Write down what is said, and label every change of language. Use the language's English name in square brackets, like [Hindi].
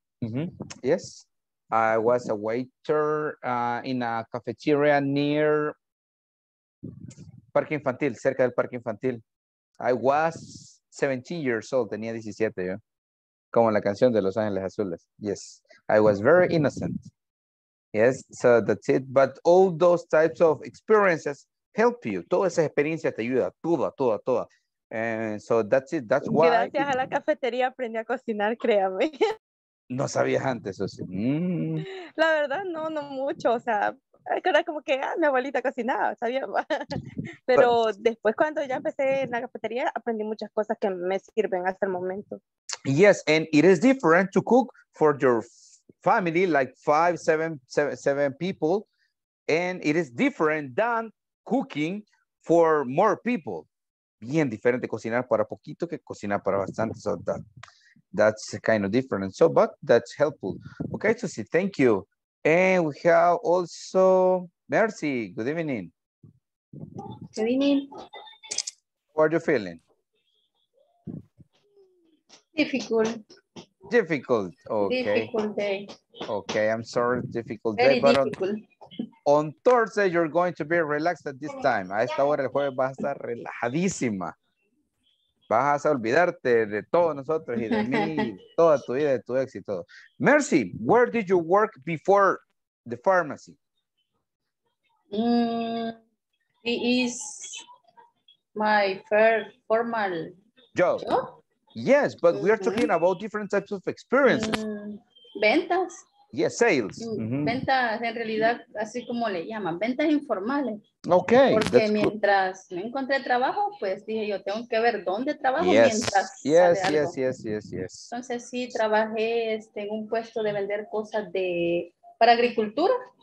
[English] Mm-hmm, yes. I was a waiter in a cafeteria near Parque Infantil, [Spanish] cerca del Parque Infantil. [English] I was 17 years old, [Spanish] tenía 17 yo. Como la canción de Los Ángeles Azules. [English] Yes, I was very innocent. Yes, so that's it. But all those types of experiences help you. [Spanish] Toda esa experiencia te ayuda, toda. [English] And so that's it, that's why. [Spanish] Gracias a la cafetería aprendí a cocinar, créame. No sabías antes, o sea, La verdad, no mucho, o sea, era como que, mi abuelita cocinaba, sabía. Pero después, cuando ya empecé en la cafetería, aprendí muchas cosas que me sirven hasta el momento. [English] Yes, and it is different to cook for your family, like seven people. And it is different than cooking for more people. [Spanish] Bien diferente cocinar para poquito que cocinar para bastante. [English] So that's kind of different. So, but that's helpful. Okay, Susie, thank you. And we have also Mercy. Good evening. Good evening. How are you feeling? Difficult. Okay. Difficult day. Okay, I'm sorry. Difficult very day. Very difficult. On Thursday, you're going to be relaxed at this time. [Spanish] A esta hora el jueves vas a estar relajadísima. Vas a olvidarte de todos nosotros y de mí, toda tu vida, de tu éxito. [English] Mercy, where did you work before the pharmacy? It is my first formal job. Yes, but we are talking about different types of experiences. [Spanish] Ventas. [English] Yes, sales. Mm-hmm. [Spanish] Ventas, en realidad, así como le llaman, ventas informales. [English] Okay. [Spanish] Porque mientras no encontré trabajo, pues dije yo, tengo que ver dónde trabajo [English] Yes. [Spanish] Entonces sí, trabajé en un puesto de vender cosas de para agricultura.